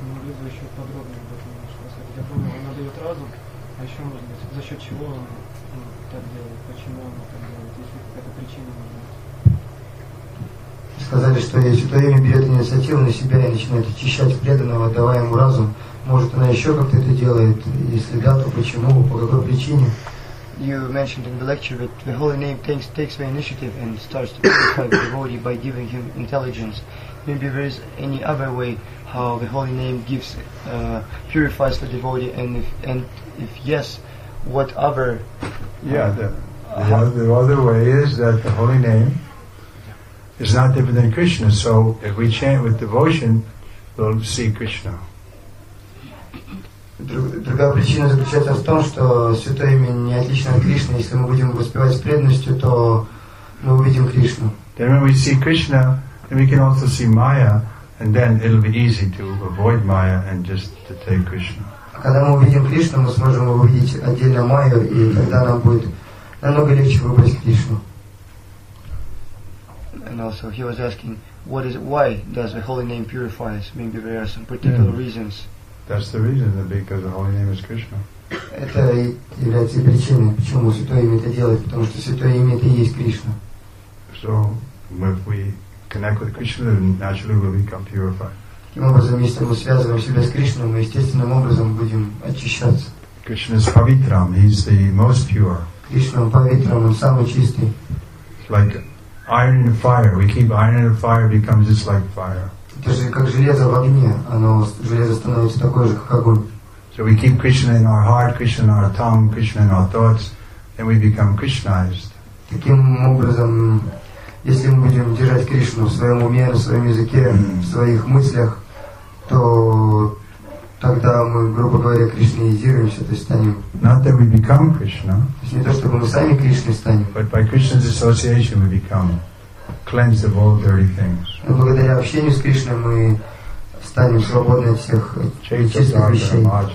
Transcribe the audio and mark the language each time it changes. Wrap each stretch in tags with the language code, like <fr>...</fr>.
<ru>Мы могли бы еще подробнее об этом немножко рассказать. Я понял, оно дает разум, а еще, может быть, за счет чего оно так делает, почему оно так делает, если какая-то причина может быть. Сказали, что Святое Имя берет инициативу на себя и начинает очищать преданного, давая ему разум. Может, она еще как-то это делает? Если да, то почему, по какой причине?</ru> <en>You mentioned in the lecture that the Holy Name takes the initiative and starts to purify the devotee by giving him intelligence. Maybe there is any other way how the Holy Name gives purifies the devotee, and if yes, what other? The other way is that the Holy Name is not different than Krishna. So if we chant with devotion, we'll see Krishna.</en> <ru>Другая причина заключается в том, что Святое Имя не отлично от Кришны. Если мы будем воспевать с преданностью, то мы увидим Кришну.</ru> <en>Then when we see Krishna, then we can also see Maya, and then it'll be easy to avoid Maya and just to take Krishna.</en> <ru>А когда мы увидим Кришну, мы сможем увидеть отдельно Майю, и тогда нам будет намного легче выбрать Кришну.</ru> <en>And also he was asking, what is it, why does the Holy Name purify us? Maybe there are some particular reasons. That's the reason, that because the Holy Name is Krishna.</en> <ru>Это является причиной, почему Святое Имя это делает, потому что Святое Имя это и есть Кришна.</ru> <en>So, if we connect with Krishna, then naturally we'll become purified.</en> <ru>Таким образом, если мы связываем себя с Кришной, мы естественным образом будем очищаться.</ru> <en>Krishna is Pavitram, he's the most pure.</en> <ru>Кришна Павитрам, он самый чистый.</ru> <en>Like iron in fire, we keep iron in fire, becomes just like fire.</en> <ru>Это же как железо в огне, оно железо становится такое же, как огонь.</ru> <en>So we keep Krishna in our heart, Krishna in our tongue, Krishna in our thoughts, then we become Krishnaized.</en> <ru>Таким образом, если мы будем держать Кришну в своем уме, в своем языке, в своих мыслях, то тогда мы, грубо говоря, кришнаизируемся, то есть станем.</ru> <en>Not that we become Krishna.</en> <ru>То есть не то, чтобы мы сами Кришной станем.</ru> <en>But by Krishna's association we become cleansed of all dirty things.</en> <ru>Но благодаря общению с Кришной мы станем свободны от всех чистых вещей.</ru>